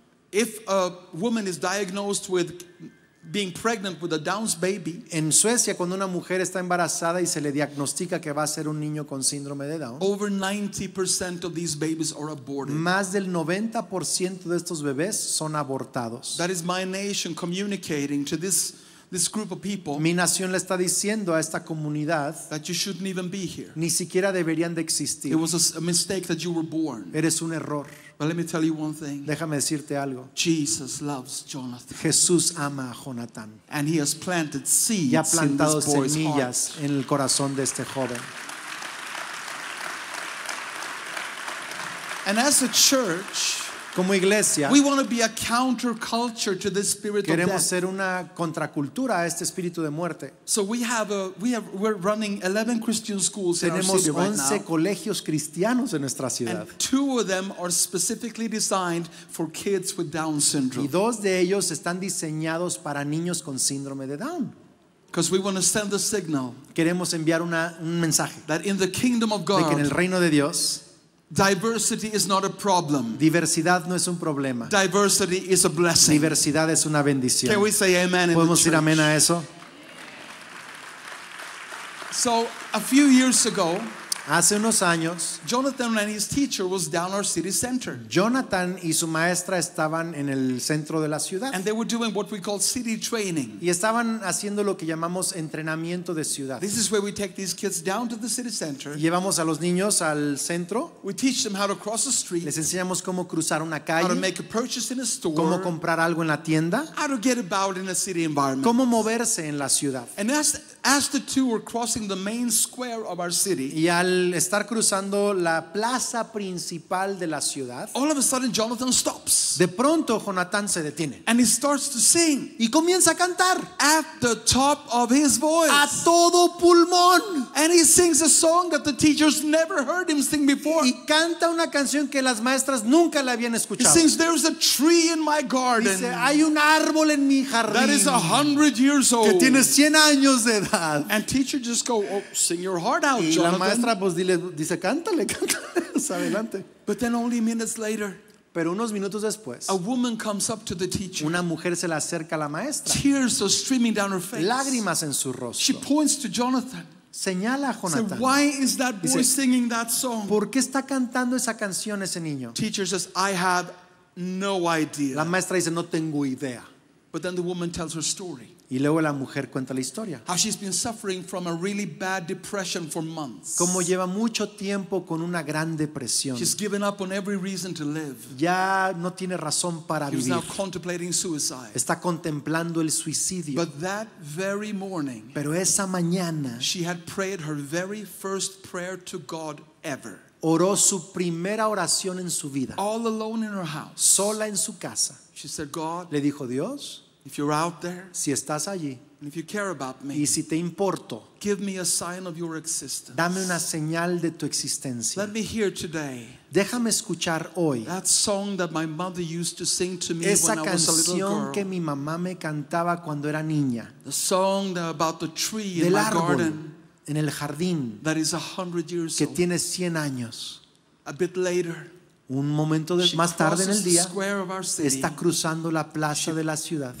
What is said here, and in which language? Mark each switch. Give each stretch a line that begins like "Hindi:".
English: If a woman is diagnosed with being pregnant with a Down's baby,
Spanish: en Suecia cuando una mujer está embarazada y se le diagnostica que va a ser un niño con síndrome de Down,
English: over 90% of these babies are aborted.
Spanish: Más del 90% de estos bebés son abortados.
English: That is my nation communicating to this group of people.
Spanish: Mi nación le está diciendo a esta comunidad
English: that you shouldn't even be here.
Spanish: Ni siquiera deberían de existir.
English: It was a mistake that you were born.
Spanish: Eres un error.
English: But let me tell you one thing.
Spanish: Déjame decirte algo.
English: Jesus loves Jonathan.
Spanish: Jesús ama a Jonathan.
English: And he has planted seeds
Spanish: y ha plantado semillas
English: heart.
Spanish: En el corazón de este joven.
English: And as a church,
Spanish: como iglesia,
English: we want to be a counterculture to this spirit of death.
Spanish: Queremos ser una contracultura a este espíritu de muerte.
English: So we're running 11 Christian schools in our city right now.
Spanish: Tenemos 11 colegios cristianos en nuestra ciudad.
English: And two of them are specifically designed for kids with Down syndrome.
Spanish: Y dos de ellos están diseñados para niños con síndrome de Down.
English: Because we want to send the signal.
Spanish: Queremos enviar un mensaje.
English: That in the kingdom of God.
Spanish: De que en el reino de Dios.
English: Diversity is not a problem.
Spanish: Diversidad no es un problema.
English: Diversity is a blessing.
Spanish: Diversidad es una bendición.
English: Can we say amen?
Spanish: ¿Podemos decir amén a eso?
English: So a few years ago,
Spanish: hace unos años,
English: Jonathan and his teacher was down our city center.
Spanish: Jonathan y su maestra estaban en el centro de la ciudad.
English: And they were doing what we call city training.
Spanish: Y estaban haciendo lo que llamamos entrenamiento de ciudad.
English: This is where we take these kids down to the city center.
Spanish: Llevamos a los niños al centro.
English: We teach them how to cross the street.
Spanish: Les enseñamos cómo cruzar una calle.
English: How to make a purchase in a store.
Spanish: Cómo comprar algo en la tienda.
English: How to get about in a city environment.
Spanish: Cómo moverse en la ciudad.
English: And as As the two were crossing the main square of our city,
Spanish: y al estar cruzando la plaza principal de la ciudad,
English: all of a sudden Jonathan stops.
Spanish: De pronto Jonathan se detiene.
English: And he starts to sing.
Spanish: Y comienza a cantar.
English: At the top of his voice.
Spanish: A todo pulmón.
English: And he sings a song that the teachers never heard him sing before.
Spanish: Y canta una canción que las maestras nunca la habían escuchado.
English: He sings, "There's a tree in my garden."
Spanish: Dice, hay un árbol en mi jardín.
English: That is 100 years old.
Spanish: Que tiene 100 años de edad.
English: And teacher just go, oh, sing your heart out,
Spanish: y
English: Jonathan.
Spanish: La maestra pues dile, dice, cántale, cántale, adelante.
English: But then only minutes later,
Spanish: pero unos minutos después,
English: a woman comes up to the teacher.
Spanish: Una mujer se le acerca a la maestra.
English: Tears are streaming down her face.
Spanish: Lágrimas en su rostro.
English: She points to Jonathan.
Spanish: Señala a Jonathan.
English: Said, why is that boy
Spanish: dice,
English: singing that song?
Spanish: ¿Por qué está cantando esa canción ese niño?
English: Teacher says, I have no idea.
Spanish: La maestra dice, no tengo idea.
English: But then the woman tells her story.
Spanish: Y luego la mujer cuenta la historia.
English: How she's been suffering from a really bad depression for months.
Spanish: Como lleva mucho tiempo con una gran depresión.
English: She's given up on every reason to live.
Spanish: Ya no tiene razón para
English: she's
Spanish: vivir.
English: Now contemplating suicide.
Spanish: Está contemplando el suicidio.
English: But that very morning,
Spanish: pero esa mañana,
English: she had prayed her very first prayer to God ever.
Spanish: Oró su primera oración en su vida.
English: All alone in her house.
Spanish: Sola en su casa.
English: She said, God,
Spanish: le dijo Dios,
English: if you're out there,
Spanish: si estás allí,
English: and if you care about me,
Spanish: y si te importo,
English: give me a sign of your existence.
Spanish: Dame una señal de tu existencia.
English: Let me hear today.
Spanish: Déjame escuchar hoy.
English: That song that my mother used to sing to me
Spanish: esa
English: when I was a little girl.
Spanish: Esa canción que mi mamá me cantaba cuando era niña.
English: The song that about the tree
Spanish: del
English: in my
Spanish: árbol,
English: garden.
Spanish: En el jardín.
English: That is 100 years
Spanish: que
English: old.
Spanish: Tiene 100 años.
English: A bit later.
Spanish: Un momento de, más tarde en el día
English: city,
Spanish: está cruzando la plaza de la ciudad.